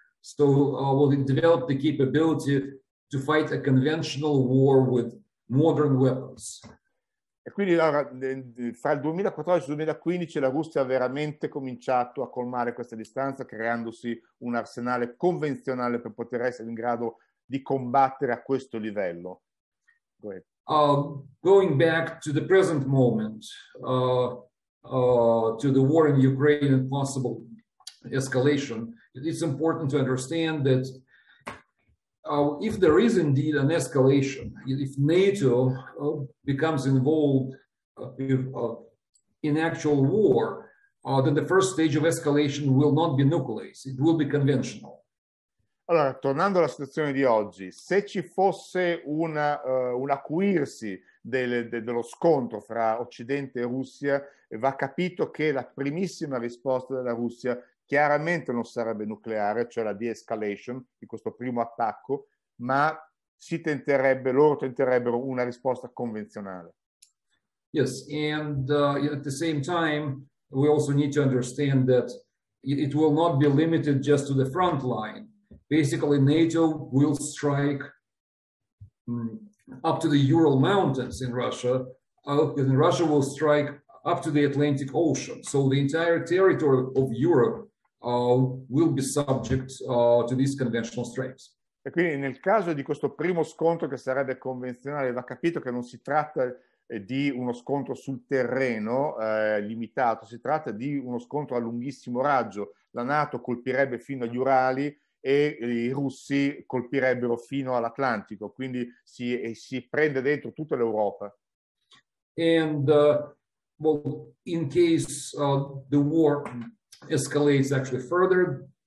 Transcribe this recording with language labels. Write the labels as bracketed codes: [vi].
[en] So will it develop the capability to fight a conventional war with modern weapons? [it] E quindi allora, fra il 2014 e il 2015 la Russia ha veramente cominciato a colmare questa distanza creandosi un arsenale convenzionale per poter essere in grado di combattere a questo livello. [en] Go ahead. Going back to the present moment, to the war in Ukraine and possible escalation, it's important to understand that if there is indeed an escalation, if NATO becomes involved in actual war, then the first stage of escalation will not be nuclear, it will be conventional. [it] Allora, tornando alla situazione di oggi, se ci fosse un acuirsi dello scontro fra Occidente e Russia, va capito che la primissima risposta della Russia chiaramente non sarebbe nucleare, cioè la de-escalation di questo primo attacco, ma si tenterebbe, loro tenterebbero una risposta convenzionale. [en] Yes, and at the same time we also need to understand that it will not be limited just to the front line. Basically NATO will strike up to the Ural Mountains in Russia, and Russia will strike up to the Atlantic Ocean. So the entire territory of Europe will be subject to these conventional strikes. [it] E quindi nel caso di questo primo scontro che sarebbe convenzionale, va capito che non si tratta di uno scontro sul terreno limitato, si tratta di uno scontro a lunghissimo raggio. La NATO colpirebbe fino agli Urali e i russi colpirebbero fino all'Atlantico, quindi si prende dentro tutta l'Europa. [en] And well, in case the war escalates actually further,